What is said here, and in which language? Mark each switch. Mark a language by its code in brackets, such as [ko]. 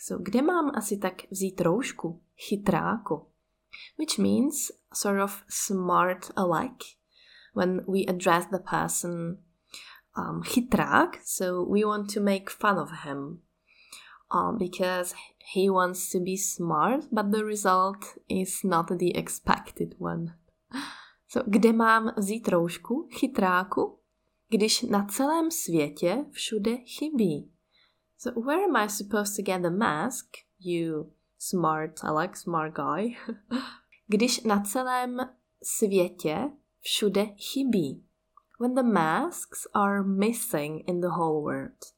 [cs] So, kde mám asi tak vzít roušku? [en] Chytráku. Which means sort of smart aleck. When we address the person chytrák, so we want to make fun of him. Because he wants to be smart, but the result is not the expected one. [cs] So, kde mám vzít roušku, chytráku, když na celém světě všude chybí? [en] So, where am I supposed to get the mask, you smart Alex, smart guy? [cs] Když na celém světě všude chybí? [en] When the masks are missing in the whole world.